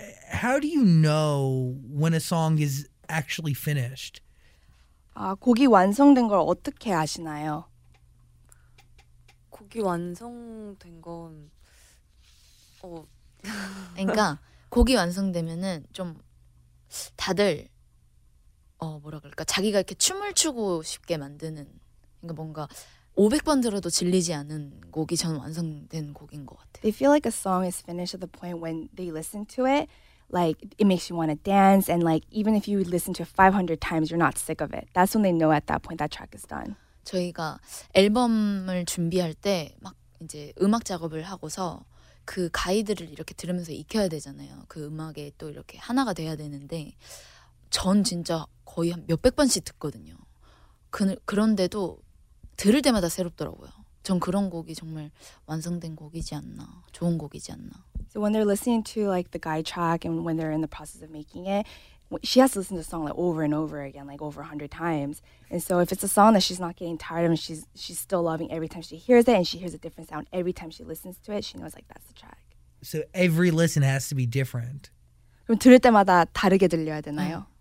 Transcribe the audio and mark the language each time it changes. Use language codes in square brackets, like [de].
[en] How do you know when a song is actually finished? [ko] 아, 곡이 완성된 걸 어떻게 아시나요? 곡이 완성된 건... 그러니까... 곡이 완성되면은 좀 다들 뭐라 그럴까 자기가 이렇게 춤을 추고 싶게 만드는 그러니까 뭔가 500번 들어도 질리지 않은 곡이 전 완성된 곡인 것 같아요. [en] They feel like a song is finished at the point when they listen to it, like it makes you want to dance, and like even if you listen to it 500 times, you're not sick of it. That's when they know at that point that track is done. [ko] 저희가 앨범을 준비할 때 막 이제 음악 작업을 하고서. 그 가이드를 이렇게 들으면서 익혀야 되잖아요. 그 음악에 또 이렇게 하나가 돼야 되는데 전 진짜 거의 한 몇백 번씩 듣거든요. 그런데도 들을 때마다 새롭더라고요. 전 그런 곡이 정말 완성된 곡이지 않나, 좋은 곡이지 않나. [en] So when they're listening to like the guy track and when they're in the process of making it, she has to listen to the song like over and over again, like over 100 times. And so if it's a song that she's not getting tired of, she's still loving every time she hears it, and she hears a different sound every time she listens to it, she knows like that's the track. So every listen has to be different. [ko] 그럼 들을 때마다 다르게 들려야 되나요?